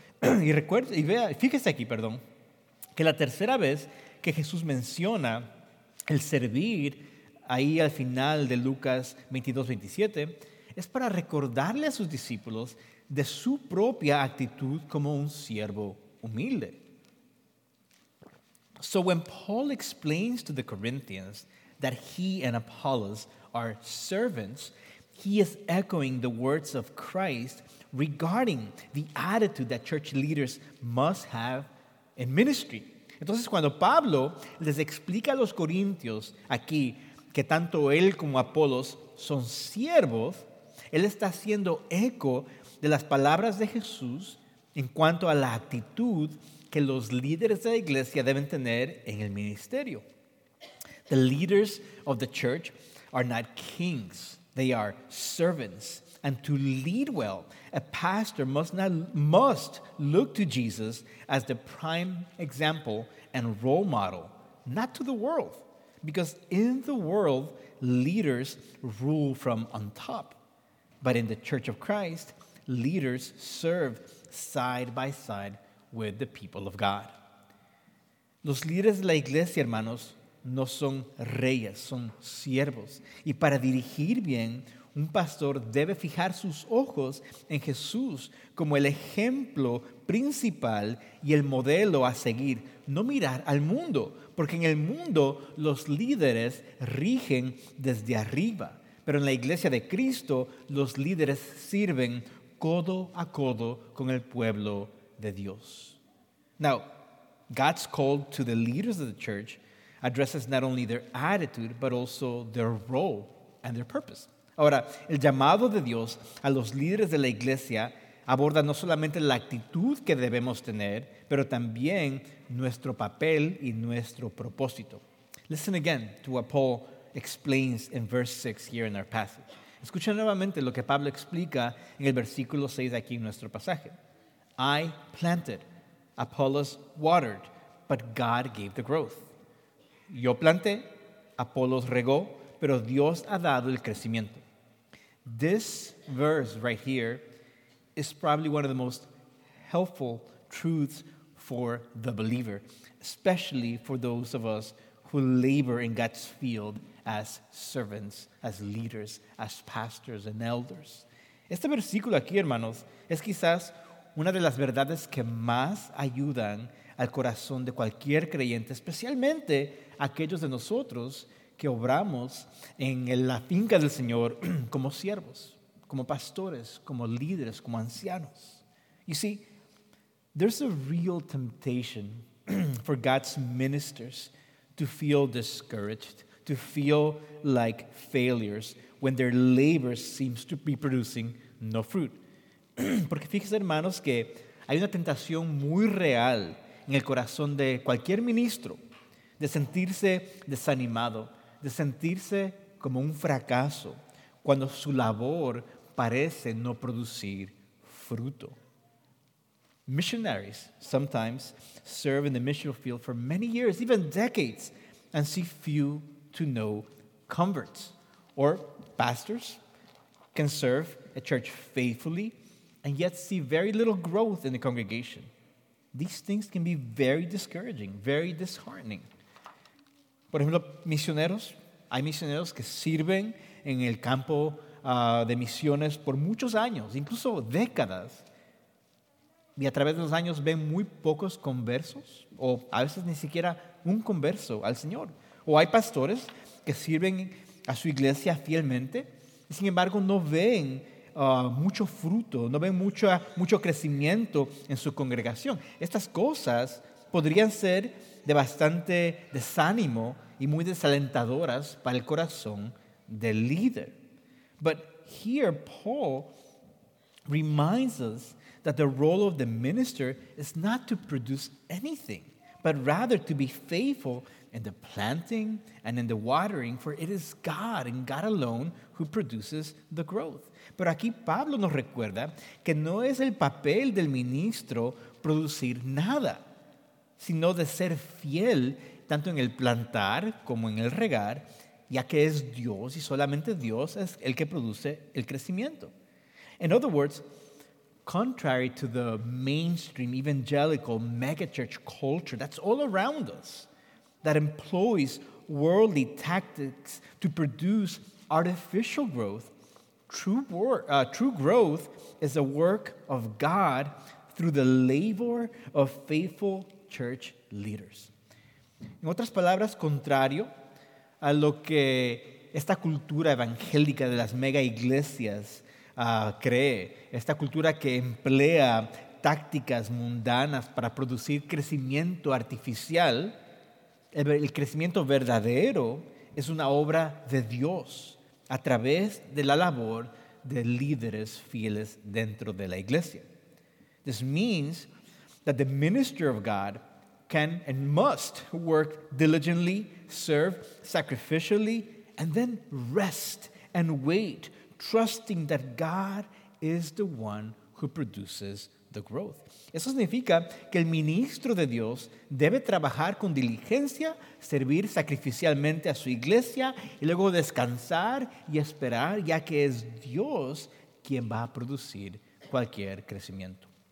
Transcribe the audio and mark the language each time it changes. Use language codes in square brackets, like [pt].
[es] Y recuerde, y vea, fíjese aquí, perdón, que la tercera vez que Jesús menciona el servir ahí al final de Lucas 22:27 es para recordarle a sus discípulos de su propia actitud como un siervo humilde. [en] So when Paul explains to the Corinthians that he and Apollos are servants, he is echoing the words of Christ regarding the attitude that church leaders must have in ministry. [es] Entonces, cuando Pablo les explica a los corintios aquí que tanto él como Apolos son siervos, él está haciendo eco de las palabras de Jesús en cuanto a la actitud que los líderes de la iglesia deben tener en el ministerio. [en] The leaders of the church are not kings. They are servants. And to lead well, a pastor must look to Jesus as the prime example and role model, not to the world. Because in the world, leaders rule from on top. But in the Church of Christ, leaders serve side by side with the people of God. [es] Los líderes de la iglesia, hermanos, no son reyes, son siervos. Y para dirigir bien, un pastor debe fijar sus ojos en Jesús como el ejemplo principal y el modelo a seguir. No mirar al mundo, porque en el mundo los líderes rigen desde arriba. Pero en la iglesia de Cristo, los líderes sirven codo a codo con el pueblo de Dios. [en] Now, God's call to the leaders of the church addresses not only their attitude, but also their role and their purpose. [es] Ahora, el llamado de Dios a los líderes de la iglesia aborda no solamente la actitud que debemos tener, pero también nuestro papel y nuestro propósito. [en] Listen again to what Paul explains in verse 6 here in our passage. [es] Escucha nuevamente lo que Pablo explica en el versículo 6 aquí en nuestro pasaje. [en] I planted, Apollos watered, but God gave the growth. [es] Yo planté, Apollos regó, pero Dios ha dado el crecimiento. [en] This verse right here is probably one of the most helpful truths for the believer, especially for those of us who labor in God's field as servants, as leaders, as pastors and elders. [es] Este versículo aquí, hermanos, es quizás una de las verdades que más ayudan al corazón de cualquier creyente, especialmente aquellos de nosotros que obramos en la finca del Señor como siervos, como pastores, como líderes, como ancianos. [en] You see, there's a real temptation for God's ministers to feel discouraged, to feel like failures when their labor seems to be producing no fruit. [es] Porque fíjense, hermanos, que hay una tentación muy real en el corazón de cualquier ministro de sentirse desanimado, de sentirse como un fracaso cuando su labor parece no producir fruto. [en] Missionaries sometimes serve in the mission field for many years, even decades, and see few to no converts. Or pastors can serve a church faithfully and yet see very little growth in the congregation. These things can be very discouraging, very disheartening. [es] Por ejemplo, misioneros. Hay misioneros que sirven en el campo de misiones por muchos años, incluso décadas. Y a través de los años ven muy pocos conversos, o a veces ni siquiera un converso al Señor. O hay pastores que sirven a su iglesia fielmente, y sin embargo no ven mucho fruto, no ven mucho crecimiento en su congregación. Estas cosas podrían ser de bastante desánimo y muy desalentadoras para el corazón del líder. [en] But here, Paul reminds us that the role of the minister is not to produce anything, but rather to be faithful in the planting and in the watering, for it is God and God alone who produces the growth. [es] Pero aquí Pablo nos recuerda que no es el papel del ministro producir nada, sino de ser fiel tanto en el plantar como en el regar, ya que es Dios y solamente Dios es el que produce el crecimiento. [en] In other words, contrary to the mainstream evangelical megachurch culture that's all around us, that employs worldly tactics to produce artificial growth. True growth is a work of God through the labor of faithful church leaders. [es] En otras palabras, contrario a lo que esta cultura evangélica de las mega iglesias cree, esta cultura que emplea tácticas mundanas para producir crecimiento artificial, el crecimiento verdadero es una obra de Dios a través de la labor de líderes fieles dentro de la iglesia. [en] This means that the minister of God can and must work diligently, serve sacrificially, and then rest and wait, trusting that God is the one who produces the growth. [es] Eso significa que el ministro de Dios debe trabajar con diligencia, servir sacrificialmente a su iglesia, y luego descansar y esperar, ya que es Dios quien va a producir cualquier crecimiento.